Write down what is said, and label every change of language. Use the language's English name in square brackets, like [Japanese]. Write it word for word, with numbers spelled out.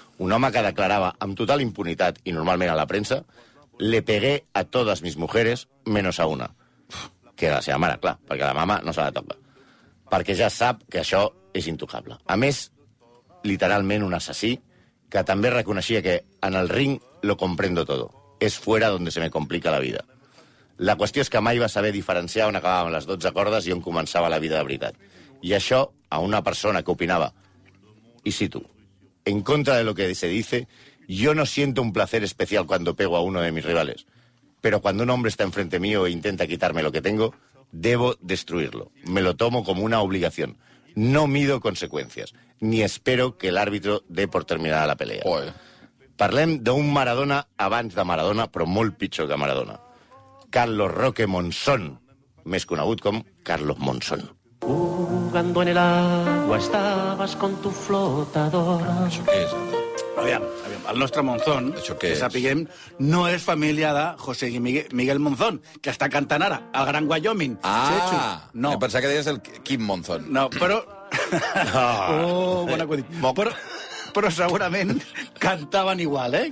[Catalan] Un home que declarava amb total impunitat, i normalment a la premsa, «Le pegué a todas mis mujeres, menos a una». Que era la seva mare, clar, perquè la mama no se la toca. Perquè ja sap que això és intocable. A més, literalment un assassí, que també reconeixia que en el ring lo comprendo todo. [Spanish] Es fuera donde se me complica la vida. [Catalan] La qüestió és que mai va saber diferenciar on acabaven les dotze cordes i on començava la vida de veritat. I això, a una persona que opinava, i cito, «En contra de lo que se dice, yo no siento un placer especial cuando pego a uno de mis rivales. [Spanish] Pero cuando un hombre está enfrente mío e intenta quitarme lo que tengo, debo destruirlo. Me lo tomo como una obligación. No mido consecuencias, ni espero que el árbitro dé por terminada la pelea». [Catalan] Oi. Parlem d'un Maradona abans de Maradona, però molt pitjor que Maradona. Carlos Roque Monzón, més conegut com Carlos Monzón. [Spanish] Jugando en el agua estabas con tu flotadora. [Catalan] Això què és? Aviam, aviam, el nostre Monzón, Això què que és? sapiguem, no és família de José Miguel, Miguel Monzón, que està cantant ara, al Gran Wyoming. Ah, no. em pensava que deies el Kim Monzón. No, però... Oh, bon acudit. Però, però segurament cantaven igual, eh?